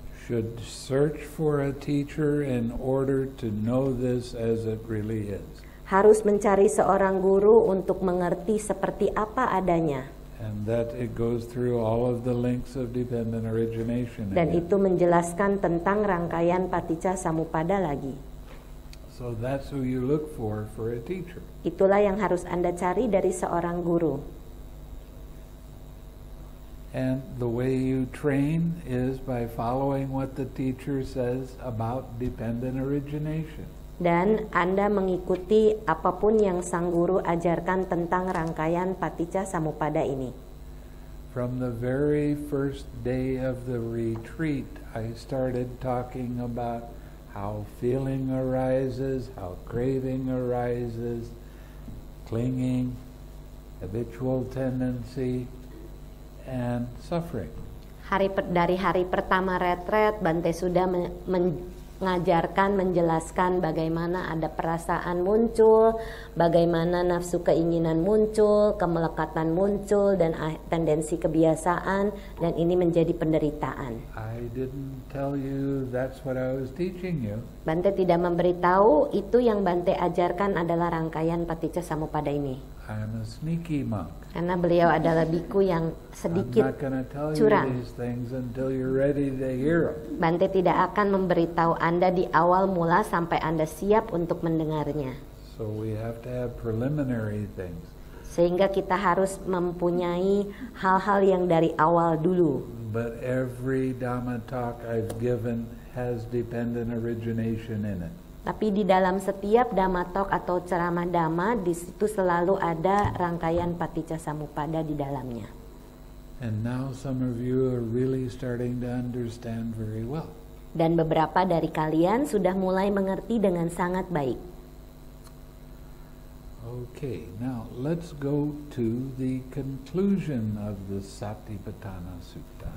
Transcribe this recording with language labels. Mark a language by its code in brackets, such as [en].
[en] Should search for a teacher in order to know this as it really is. [id] Harus mencari seorang guru untuk mengerti seperti apa adanya. [en] And that it goes through all of the links of dependent origination. [id] Dan itu menjelaskan tentang rangkaian paticca samuppada lagi. [en] So that's who you look for a teacher. [id] Itulah yang harus Anda cari dari seorang guru. [en] And the way you train is by following what the teacher says about dependent origination. [id] Dan Anda mengikuti apapun yang sang guru ajarkan tentang rangkaian paticca samuppada ini. [en] From the very first day of the retreat, I started talking about how feeling arises, how craving arises, clinging, habitual tendency, and suffering. [id] Dari hari pertama retret, Bante sudah mengajarkan, menjelaskan bagaimana ada perasaan muncul, bagaimana nafsu keinginan muncul, kemelekatan muncul, dan tendensi kebiasaan, dan ini menjadi penderitaan. [en] I didn't tell you that's what I was teaching you. [id] Bante tidak memberitahu itu yang Bante ajarkan adalah rangkaian paticca samuppada ini. [en] I'm a sneaky monk. [id] Karena beliau adalah biku yang sedikit curang. [en] I'm not gonna tell [id] curang. [en] You these things until you're ready to hear them. [id] Bante tidak akan memberitahu Anda di awal mula sampai Anda siap untuk mendengarnya. [en] So we have to have preliminary things. [id] Sehingga kita harus mempunyai hal-hal yang dari awal dulu. [en] But every Dhamma talk I've given has dependent origination in it. [id] Tapi di dalam setiap Dhamma talk atau ceramah Dhamma, di situ selalu ada rangkaian paticca samuppada di dalamnya. [en] And now some of you are really starting to understand very well. [id] Dan beberapa dari kalian sudah mulai mengerti dengan sangat baik. [en] Okay, now let's go to the conclusion of the Satipatthana Sutta.